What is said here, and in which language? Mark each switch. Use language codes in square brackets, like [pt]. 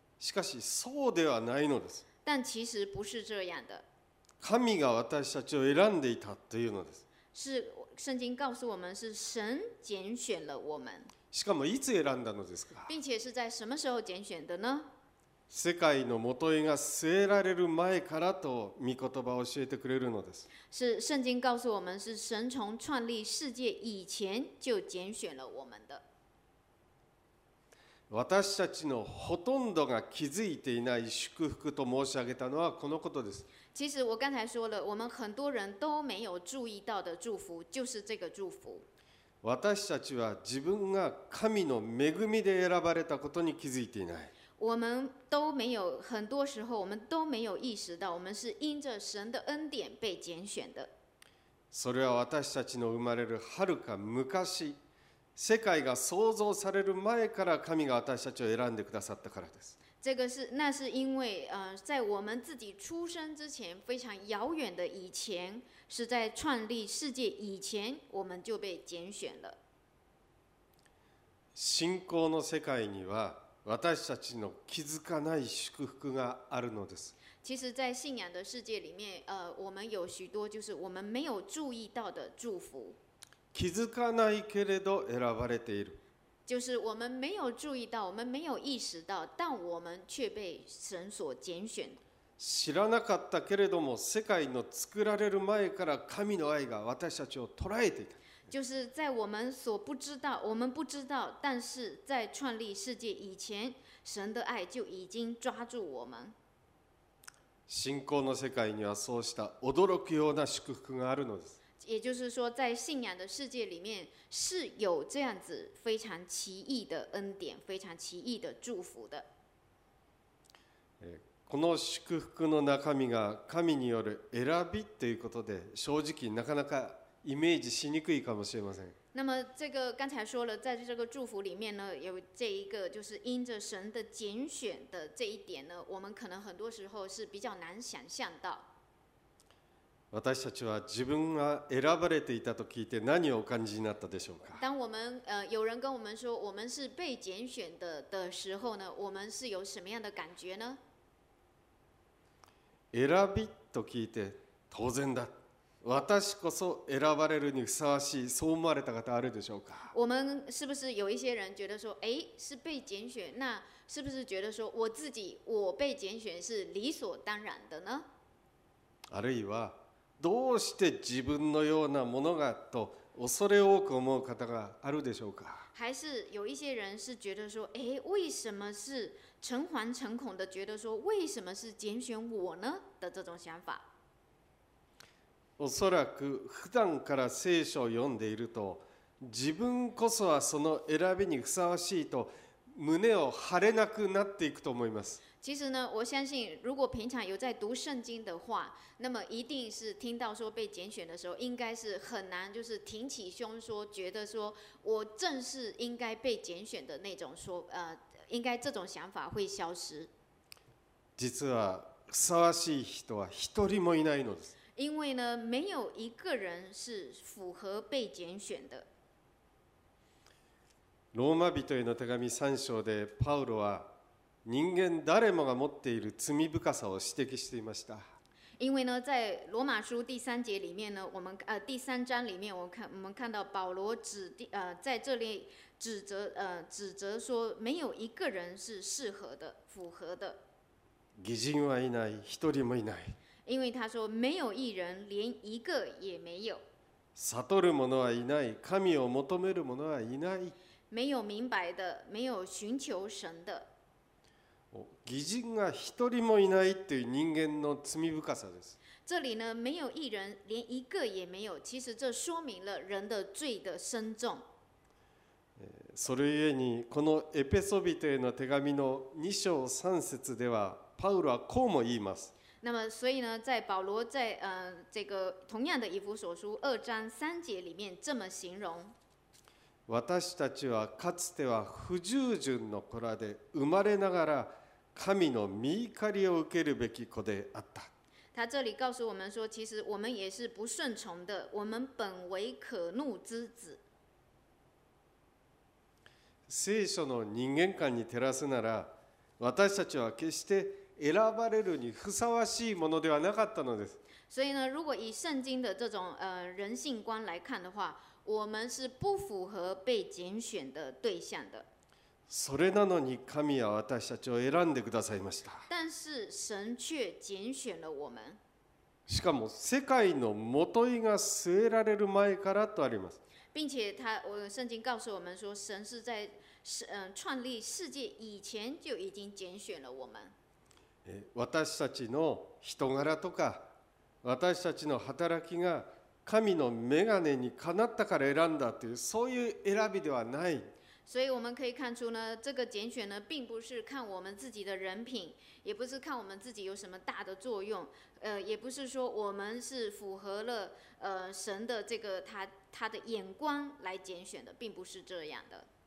[ja] しかしそうではないのです。 [zh] 但其实不是这样的。 [ja] 神が私たちを選んでいたというのです。 [zh] 是圣经告诉我们是神拣选了我们。 [ja] しかもいつ選んだのですか。 [zh] 并且是在什么时候拣选的呢？ [ja] 世界のもといが据えられる前からと御言葉を教えてくれるのです。 [zh] 是圣经告诉我们是神从创立世界以前就拣选了我们的。 [ja] 私たちのほとんどが気づいていない祝福と申し上げたのはこのことです。 [zh] 其实我刚才说了，我们很多人都没有注意到的祝福，就是这个祝福。 [ja] 私たちは自分が神の恵みで選ばれたことに気づいていない。 [zh] 我们都没有，很多时候我们都没有意识到，我们是因着神的恩典被拣选的。 [ja] それは私たちの生まれるはるか昔。世界が創造される前から神が私たちを選んでくださったからです。 [zh] 这个是那是因为在我们自己出生之前非常遥远的以前，是在创立世界以前我们就被拣选了。 [ja] 信仰の世界には私たちの気づかない祝福があるのです。 [zh] 其实在信仰的世界里面我们有许多就是我们没有注意到的祝福。 [ja] 気づかないけれど選ばれている。 [zh] 就是我们没有注意到，我们没有意识到，但我们却被神所拣选。 [ja] 知らなかったけれども、世界の作られる前から神の愛が私たちを捉えていた。 [zh] 就是在我们所不知道，我们不知道，但是在创立世界以前，神的爱就已经抓住我们。 [ja] 信仰の世界にはそうした驚くような祝福があるのです。 [zh] 也就是说，在信仰的世界里面是有这样子非常奇异的恩典，非常奇异的祝福的。 [ja] この祝福の中身が神による選びということで、正直なかなかイメージしにくいかもしれません。 [zh] 那么这个刚才说了，在这个祝福里面呢，有这一个就是因着神的拣选的这一点呢，我们可能很多时候是比较难想象到。 [ja] 私たちは自分が選ばれていたと聞いて何をお感じになったでしょうか。 [zh] 当我们有人跟我们说我们是被拣选的的时候呢，我们是有什么样的感觉呢？ [ja] 選びと聞いて当然だ。私こそ選ばれるにふさわしい、そう思われた方あるでしょうか。 [zh] 我们是不是有一些人觉得说，哎，是被拣选，那是不是觉得说我自己我被拣选是理所当然的呢？ [ja] あるいはどうして自分のようなものがと恐れ多く思う方があるでしょうか。 [zh] 还是有一些人是觉得说，哎，为什么是诚惶诚恐的觉得说，为什么是拣选我呢的这种想法。 [ja] おそらく普段から聖書を読んでいると、自分こそはその選びにふさわしいと胸を張れなくなっていくと思います。 [zh] 其实呢，我相信如果平常有在读圣经的话，那么一定是听到说被拣选的时候，应该是很难就是挺起胸说，觉得说我正是应该被拣选的那种说，应该这种想法会消失。 [ja] 実はふさわしい人は一人もいないのです。 [zh] 因为呢，没有一个人是符合被拣选的。 [ja] ローマ人への手紙3章でパウロは人間誰もが持っている罪深さを指摘していました。 [zh] 因为呢，在罗马书第三节里面呢，我们第三章里面，我们看到保罗在这里指责说，没有一个人是适合的、符合的。 [ja] 義人はいない、一人もいない。 [zh] 因为他说没有义人，连一个也没有。 [ja] 悟る者はいない、神を求める者はいない。 [zh] 没有明白的，没有寻求神的。 [ja] 義人が一人もいないっていう人間の罪深さです。 [zh] 这里呢，没有义人，连一个也没有。其实这说明了人的罪的深重。 [ja] それゆえにこのエペソ人への手紙の2章3節では、パウロはこうも言います。 [zh] 那么，所以呢，在保罗在这个同样的以弗所书二章三节里面这么形容。 [ja] 私たちはかつては不従順の子らで生まれながら神の御怒りを受けるべき子であった。 [zh] 他这里告诉我们说，其实我们也是不顺从的，我们本为可怒之子。 [ja] 聖書の人間観に照らすなら、私たちは決して選ばれるにふさわしいものではなかったのです。 [zh] 所以呢，如果以圣经的这种人性观来看的话，我们是不符合被拣选的对象的。 [ja] それなのに神は私たちを選んでくださいました。 [zh] 但是神却拣选了我们。 [ja] しかも世界の元いが据えられる前からとあります。 [zh] 并且他，我圣经告诉我们说，神是在创立世界以前就已经拣选了我们。 [ja] 私たちの人柄とか私たちの働きが神の眼鏡にかなったから選んだというそういう選びではない。 [zh] 所以我们可以看出呢，这个拣选呢，并不是看我们自己的人品，也不是看我们自己有什么大的作用，也不是说我们是符合了神的这个他的眼光来拣选的，并不是这样的。